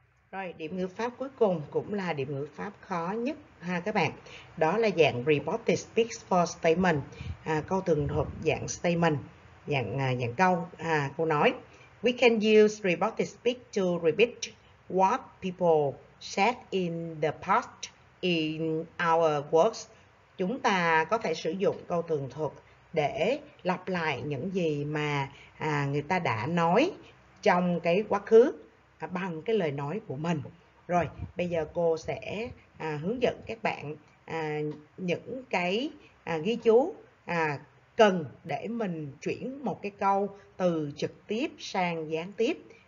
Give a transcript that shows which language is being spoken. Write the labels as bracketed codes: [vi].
[vi] Rồi, điểm ngữ pháp cuối cùng cũng là điểm ngữ pháp khó nhất ha các bạn. Đó là dạng reported speech for statement, câu thường thuật dạng statement, dạng câu, cô nói. [en] We can use reported speech to repeat what people said in the past in our works. [vi] Chúng ta có thể sử dụng câu tường thuật để lặp lại những gì mà người ta đã nói trong cái quá khứ bằng cái lời nói của mình. Rồi, bây giờ cô sẽ hướng dẫn các bạn những cái ghi chú cần để mình chuyển một cái câu từ trực tiếp sang gián tiếp.